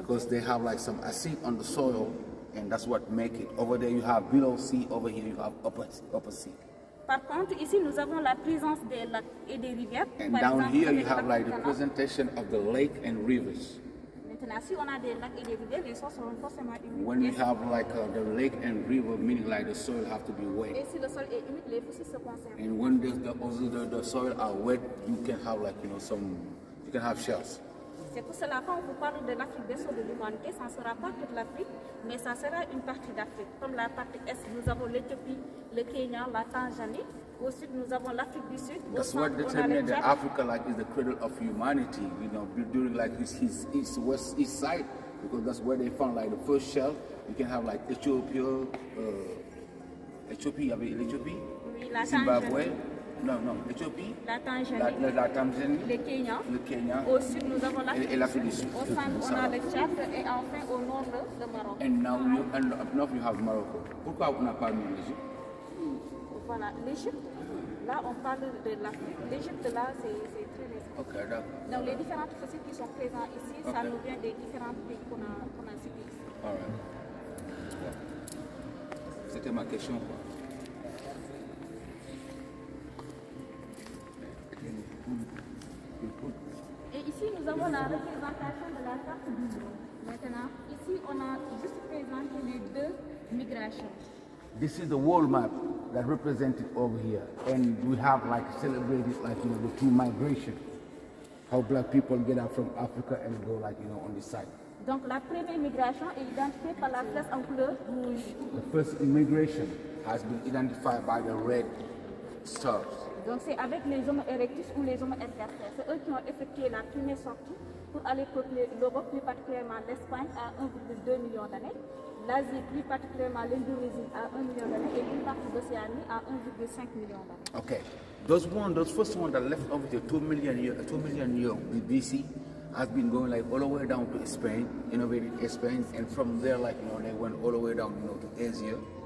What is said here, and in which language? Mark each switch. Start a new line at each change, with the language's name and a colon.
English: Because they have like some acid on the soil, and that's what make it. Over there, you have below sea. Over here, you have upper sea.
French: Par contre, ici, nous avons la présence des lacs et des rivières.
English: And down here, you have like the presentation of the lake and rivers.
French: Maintenant, si on a des lacs et des rivières, les sols seront forcément humides.
English: When we have like the lake and river, meaning like the soil have to be wet.
French: Et si le sol est humide, les fossiles se conservent.
English: And when the soil are wet, you can have like you know some. Can have shells.
French: C'est pour cela qu'on vous parle de l'Afrique berceau de l'humanité. Ça ne sera pas toute l'Afrique, mais ça sera une partie d'Afrique. Comme la partie est, nous avons l'Éthiopie, le Kenya, la Tanzanie. Au sud, nous avons l'Afrique du Sud.
English: That's what determines that Africa, like, is the cradle of humanity. You know, during like his east west east side, because that's where they found like the first shell. You can have like Ethiopia.
French: Oui, la Zimbabwe. Éthiopie, la Tanzanie, le Kenya, au sud nous avons l'Afrique du Sud, au centre on a le Tchad et enfin au nord le Maroc.
English: And now up north you have Morocco.
French: Pourquoi on n'a pas mis l'Égypte? Voilà, l'Égypte, là on parle de l'Afrique, l'Égypte là c'est très récent. Ok, d'accord. Donc les différentes fossiles qui sont présents ici, okay. Ça nous vient des différents pays qu'on a cités ici.
English: All right.
French: C'était ma question quoi. Et ici nous avons la représentation de la carte du monde. Maintenant, ici on a juste présenté les deux migrations.
English: This is the world map that represented over here, and we have like celebrated like you know the two migrations, how black people get out from Africa and go like you know on this side.
French: Donc la première migration est identifiée par la flèche en couleur rouge.
English: The first immigration has been identified by the red stars.
French: Donc c'est avec les hommes erectus ou les hommes ergastes. C'est eux qui ont effectué la première sortie pour aller peupler l'Europe, plus particulièrement l'Espagne à 1,2 million d'années, l'Asie, plus particulièrement l'Indonésie à 1 million d'années et une partie d'Océanie à 1,5 million d'années.
English: Ok. Those first ones that left over there 2 million years BC has been going like all the way down to Spain, innovated Spain, and from there like you know they went all the way down you know to Asia.